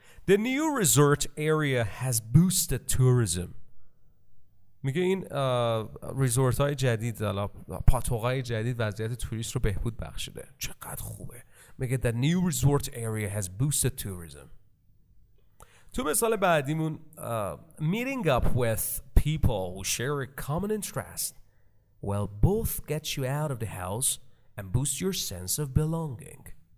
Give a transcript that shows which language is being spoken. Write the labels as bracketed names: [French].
[English] The new resort area has boosted tourism. [Persian] میگه این ریزورت های جدید, پاتوق های جدید وضعیت توریست رو بهبود بخشیده. چقدر خوبه. میگه [English] the new resort area has boosted tourism. [Persian] تو مثال بعدیمون [English] meeting up with people who share a common interest will both get you out of the house and boost your sense of belonging.